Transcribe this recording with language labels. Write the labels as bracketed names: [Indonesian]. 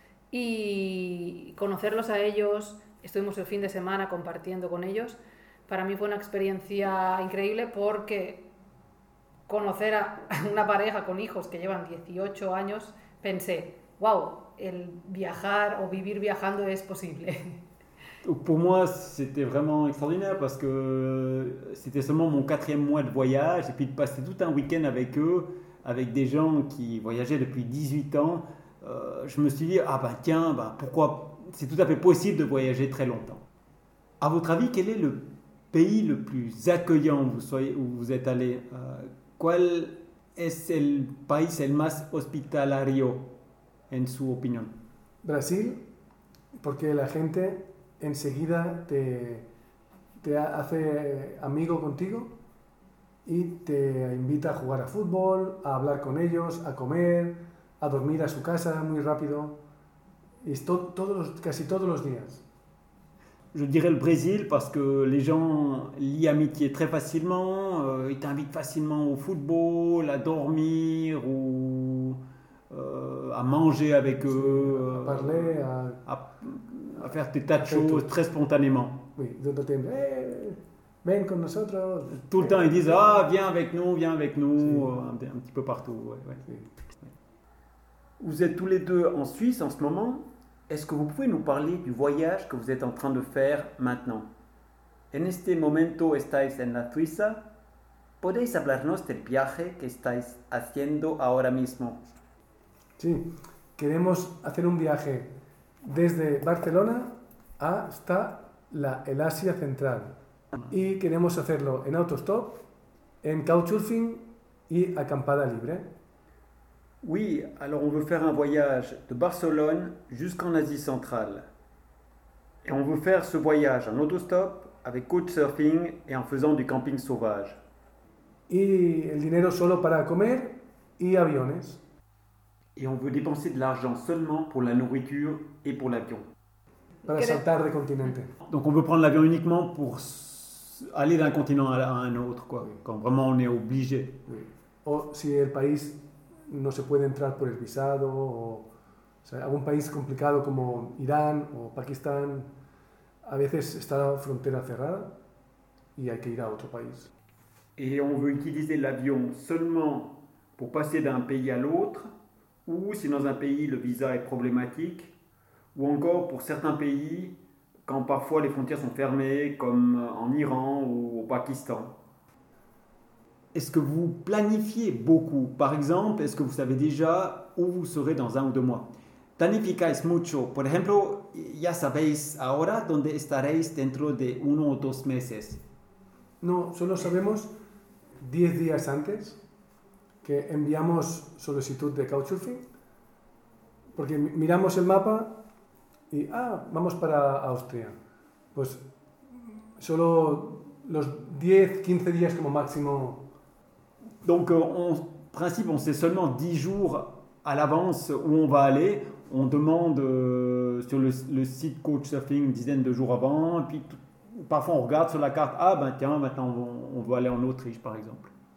[Spanish] Y conocerlos a ellos, estuvimos el fin de semana compartiendo con ellos. Para mí fue una experiencia increíble porque conocer a una pareja con hijos que llevan 18 años, pensé, wow, el viajar o vivir viajando es posible. [French] Pour moi, c'était vraiment extraordinaire parce que c'était seulement mon 4e mois de voyage et puis de passer tout un week-end avec eux, avec des gens qui voyageaient depuis 18 ans, je me suis dit, ah ben tiens, ben pourquoi, c'est tout à fait possible de voyager très longtemps. À votre avis, quel est le pays le plus accueillant où vous êtes allé? [Spanish] ¿Cuál es el país el más hospitalario, en su opinión? Brasil, porque la gente enseguida te hace amigo contigo y te invita a jugar a fútbol, a hablar con ellos, a comer, a dormir a su casa muy rápido. Y casi todos los días. [French] Je dirais le Brésil parce que les gens lient amitié très facilement, ils t'invitent facilement au football, à dormir ou à manger avec eux, à parler, à faire des tas de choses très spontanément. Oui, tout le temps, viens [Spanish] con nosotros. [French] Tout le temps, ils disent, ah, viens avec nous, un petit peu partout. Ouais, ouais. Vous êtes tous les deux en Suisse en ce moment? Est-ce que vous pouvez nous parler du voyage que vous êtes en train de faire maintenant? [Spanish] En este momento estáis en la Suiza. ¿Podéis hablarnos del viaje que estáis haciendo ahora mismo? Sí, queremos hacer un viaje desde Barcelona hasta el Asia Central. Y queremos hacerlo en autostop, en couchsurfing y acampada libre. [French] Oui, alors on veut faire un voyage de Barcelone jusqu'en Asie centrale. Et on veut faire ce voyage en autostop, avec couchsurfing et en faisant du camping sauvage. Et le [Spanish] dinero solo para comer y aviones. [French] Et on veut dépenser de l'argent seulement pour la nourriture et pour l'avion. [Spanish] Para saltar de continente. [French] Donc on veut prendre l'avion uniquement pour aller d'un continent à un autre, quoi. Oui. Quand vraiment on est obligé. Oui. [Spanish] O si el país no se puede entrar por el visado, o sea, algún país complicado como Irán o Pakistán, a veces está la frontera cerrada y hay que ir a otro país. [French] Et on veut utiliser l'avion seulement pour passer d'un pays à l'autre, ou si dans un pays le visa est problématique, ou encore pour certains pays, quand parfois les frontières sont fermées, comme en Iran ou au Pakistan. Est-ce que vous planifiez beaucoup? Par exemple, est-ce que vous savez déjà où vous serez dans un ou deux mois? [Spanish] ¿Planificáis mucho? Por ejemplo, ¿ya sabéis ahora dónde estaréis dentro de uno o dos meses? No, solo sabemos 10 días antes que enviamos solicitud de Couchsurfing, porque miramos el mapa y, ah, vamos para Austria. Pues solo los 10, 15 días como máximo. [French] Donc, en principe, on sait seulement 10 jours à l'avance où on va aller. On demande sur le site Couchsurfing une dizaine de jours avant, et puis tout. Parfois, on regarde sur la carte. Ah, ben tiens, maintenant, on veut aller en Autriche, par exemple.